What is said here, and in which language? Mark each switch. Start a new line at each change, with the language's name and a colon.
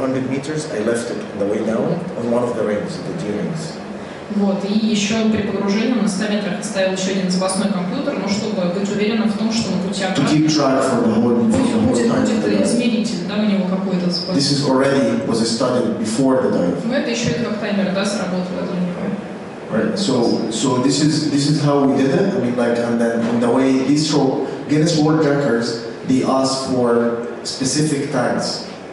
English: Meters, I left it on the way down on one of the rings, the D-rings.
Russian: Вот, и еще при погружении на 100 метрах ставил еще один запасной компьютер, но чтобы быть уверенным в том, что на пути обратно будет измеритель, да, у него какой-то запас.
English: This is already was studied before the dive.
Russian: Ну это еще и как таймер, да, сработал, это у него.
English: Right. So this is how we did it. I mean, like, and then on the way, this show Guinness World Records, they asked for specific tags.